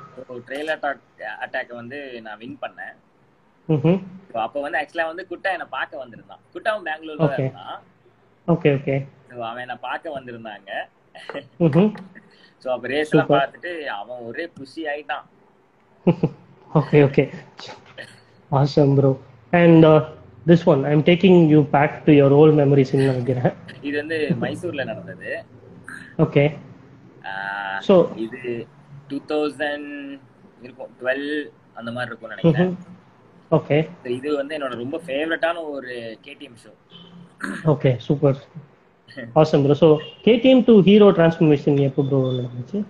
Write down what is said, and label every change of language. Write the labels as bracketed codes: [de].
[ta] So trail attack வந்து நான் win பண்ணேன். ஸோ அப்போ வந்து ஆக்சுவலாக வந்து குட்டா என்னை பார்க்க வந்திருந்தான். குட்டாவும் பெங்களூர்ல இருந்தான். Okay okay. ஸோ அவன் என்னை பார்க்க வந்திருந்தாங்க. ஸோ அப்போ ரேஸ்லாம் பார்த்துட்டு அவன் ஒரே புஷி ஆயிட்டான். Okay okay. [en] Awesome bro. And this one, I'm taking you back to your old memories. [ta] இது வந்து மைசூர்ல நடந்தது. ஓகே. சோ இது 2012 அந்த மாதிரி இருக்கும் நினைக்கிறேன். ஓகே. சோ இது வந்து என்னோட ரொம்ப ஃபேவரட்டான ஒரு KTM show. Okay, super. [en] Awesome bro. [ta] So [en] KTM to hero transformation [ta] எப்ப bro நடந்துச்சு?